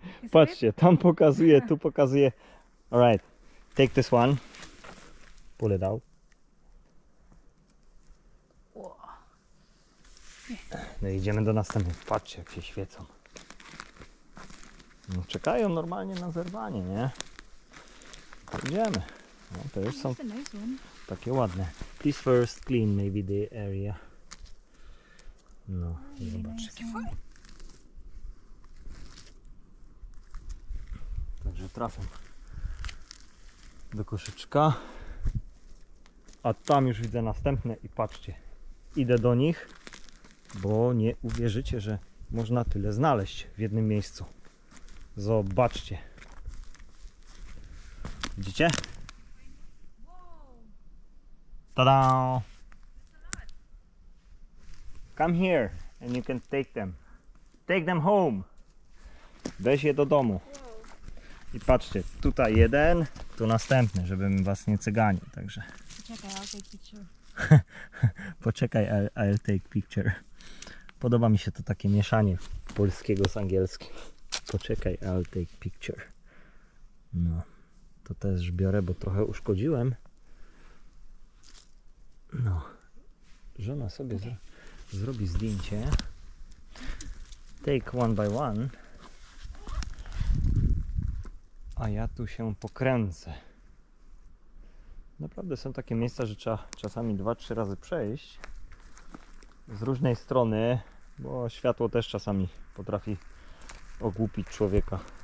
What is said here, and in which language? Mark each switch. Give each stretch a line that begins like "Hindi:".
Polish: Patrzcie, tam pokazuje, tu pokazuje.
English: Alright, take this one. Pull it out.
Polish: No i idziemy do następnych. Patrzcie, jak się świecą. No czekają normalnie na zerwanie, nie? Idziemy. No to już są takie ładne.
English: Please first clean maybe the area.
Polish: No, zobaczcie. Także trafią do koszyczka. A tam już widzę następne i patrzcie. Idę do nich, bo nie uwierzycie, że można tyle znaleźć w jednym miejscu. Zobaczcie. Widzicie? Ta-da!
English: Come here and you can take them. Take them home.
Polish: Weź je do domu. I patrzcie, tutaj jeden, tu następny, żebym was nie cyganił, także. Poczekaj,
English: I'll take picture.
Polish: Poczekaj,
English: I'll take picture.
Polish: Podoba mi się to takie mieszanie polskiego z angielskim. Poczekaj,
English: I'll take picture.
Polish: No, to też biorę, bo trochę uszkodziłem. No, żona sobie zrobi zdjęcie.
English: Take one by one.
Polish: A ja tu się pokręcę. Naprawdę są takie miejsca, że trzeba czasami 2-3 razy przejść z różnej strony, bo światło też czasami potrafi ogłupić człowieka.